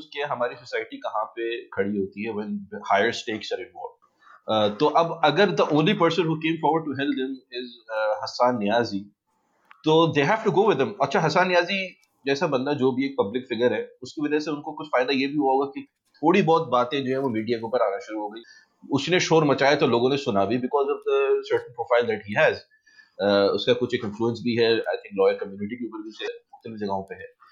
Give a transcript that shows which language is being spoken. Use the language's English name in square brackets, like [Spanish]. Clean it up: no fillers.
[Urdu] ہماری سوسائٹی کہاں پہ کھڑی ہوتی ہے [English] when higher stakes are involved. [Urdu] تو اب اگر [English] the only person who came forward to help them is Hasan Niazi, تو they have to go with him. [Urdu] اچھا حسن نیازی جیسا بندہ جو بھی ایک پبلک فگر ہے, اس کی وجہ سے ان کو کچھ فائدہ یہ بھی ہوا ہوگا کہ تھوڑی بہت باتیں جو ہے وہ میڈیا کے اوپر آنا شروع ہو گئی, اس نے شور مچایا تو لوگوں نے سنا بھی [English] because of the certain profile that he has, [Urdu] اس کا کچھ ایک انفلوئنس بھی ہے [English] I think [Urdu] لائر کمیونٹی کے اوپر بھی, مختلف جگہوں پہ ہے.